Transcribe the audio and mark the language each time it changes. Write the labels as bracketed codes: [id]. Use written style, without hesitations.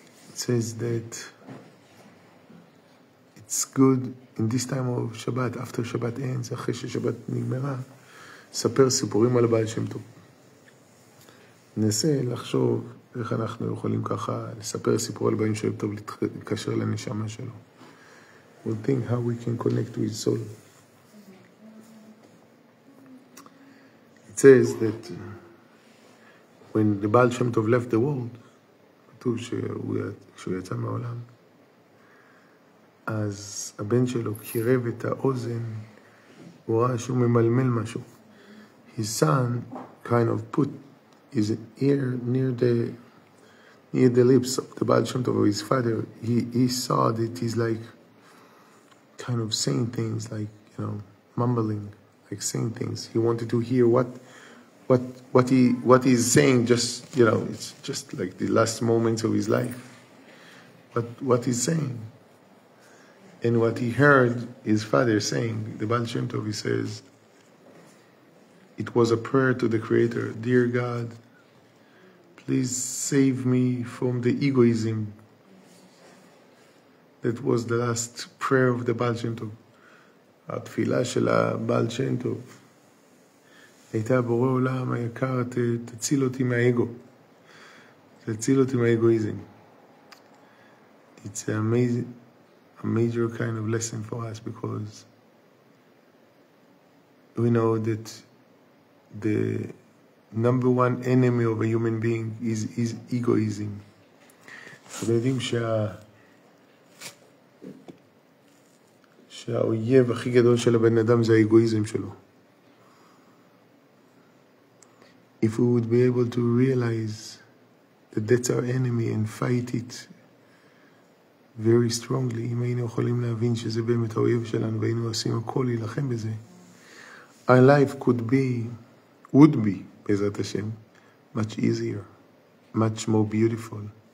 [en] It says that it's good in this time of Shabbat, after Shabbat ends, [he] אחרי ששבת נגמרה, ספר סיפורים על הבעל שם טוב. ננסה לחשוב איך אנחנו יכולים ככה לספר סיפור על הבעל שם טוב, להתקשר לנשמה שלו. [en] We'll think how we can connect with soul. It says that when the בעל שם טוב left the world, [he] כתוב שהוא יצא מהעולם, אז הבן שלו קירב את האוזן, הוא ראה שהוא ממלמל משהו. [en] His son kind of put his ear near the lips of the Baal Shem Tov of his father. He saw that he's like kind of saying things, like, you know, mumbling, like saying things. He wanted to hear what he's saying, just, you know, it's just like the last moments of his life. What he's saying. And what he heard his father saying, the Baal Shem Tov, he says, it was a prayer to the Creator. Dear God, please save me from the egoism. That was the last prayer of the Baal Shem Tov. [he] התפילה של הבעל שם טוב. הייתה בורא עולם היקר, תציל אותי מהאגו. תציל אותי מהאגואיזם. [en] It's amazing. A major kind of lesson for us, because we know that the number one enemy of a human being is egoism. [he] אתם יודעים שהאויב הכי גדול של הבן אדם זה האגואיזם שלו. [en] If we would be able to realize that that's our enemy and fight it very strongly, [he] אם היינו יכולים להבין שזה באמת האויב שלנו והיינו עושים הכל להילחם בזה, [en] our life could be, would be, [he] בעזרת השם, [en] much easier, much more beautiful.